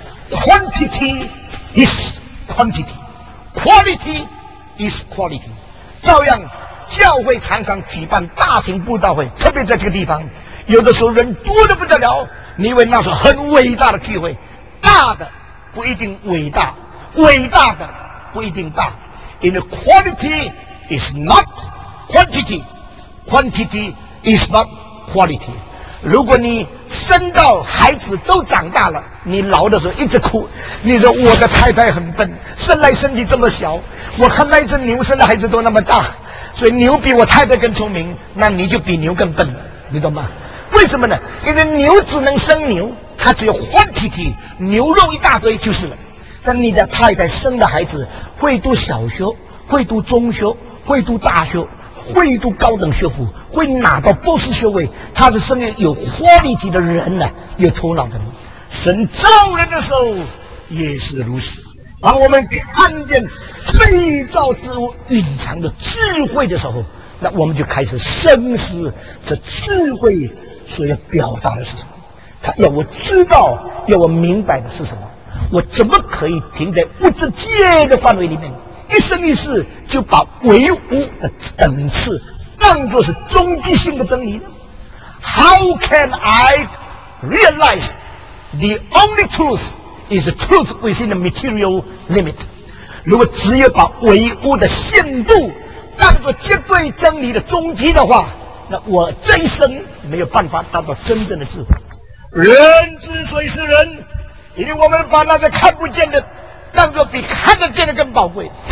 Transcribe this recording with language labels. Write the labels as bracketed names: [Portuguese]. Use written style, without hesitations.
[English] Quantity is quantity, quality is quality。 [Chinese] 照样教会常常举办大型布道会，特别在这个地方，有的时候人多得不得了，你以为那是很伟大的聚会，大的不一定伟大，伟大的不一定大。 [English] In quality is not quantity, quantity is not quality。 [Chinese] 如果你生到孩子都长大了，你老的时候一直哭，你说我的太太很笨，生来身体这么小，我看那只牛生的孩子都那么大，所以牛比我太太更聪明，那你就比牛更笨了，你懂吗？为什么呢？因为牛只能生牛，它只有quantity，牛肉一大堆就是了。但你的太太生的孩子会读小学，会读中学，会读大学，会读高等学府，会拿到博士学位，他是生命有活力体的人呢，有头脑的人。神造人的时候也是如此，当我们看见被造之物隐藏的智慧的时候，那我们就开始深思这智慧所要表达的是什么，他要我知道，要我明白的是什么。我怎么可以停在物质界的范围里面，一生一世就把唯物的等次当作是终极性的真理呢？ [English] How can I realize the only truth is the truth within the material limit? [Chinese] 如果只有把唯物的限度当作绝对真理的终极的话，那我这一生没有办法达到真正的智慧。人之所以是人，因为我们把那个看不见的当作比看得见的更宝贵。